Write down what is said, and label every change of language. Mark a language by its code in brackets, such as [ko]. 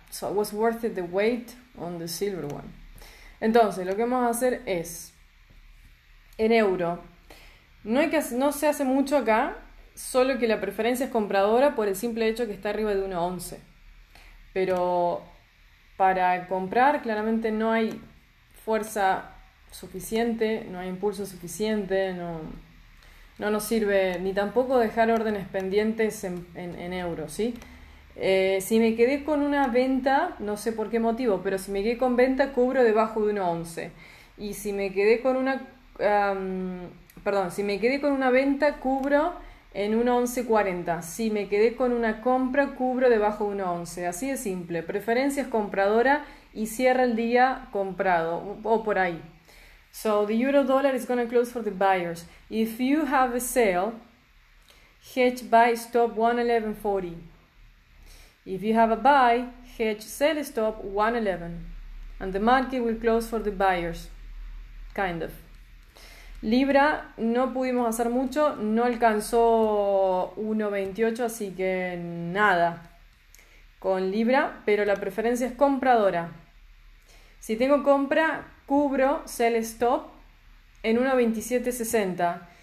[en] So it was worth it the wait on the silver one. [es] Entonces, lo que vamos a hacer es, en euro, no se hace mucho acá, solo que la preferencia es compradora por el simple hecho que está arriba de 1,11. Pero para comprar, claramente no hay fuerza suficiente, no hay impulso suficiente, no nos sirve ni tampoco dejar órdenes pendientes en euros, ¿sí? Si me quedé con una venta, no sé por qué motivo, pero si me quedé con venta, cubro debajo de 1,11. Y si me quedé con perdón, si me quedé con una venta, cubro en 1,1140. Si me quedé con una compra, cubro debajo de 1,11. Así de simple. Preferencia es compradora y cierra el día comprado o por ahí. [en] So the euro dollar is going to close for the buyers. If you have a sale, hedge buy stop 1,1140. If you have a buy, hedge sell stop 1,11. And the market will close for the buyers. Kind of. [es] Libra, no pudimos hacer mucho, no alcanzó 1,28, así que nada con Libra, pero la preferencia es compradora. Si tengo compra, cubro sell stop en 1,2760.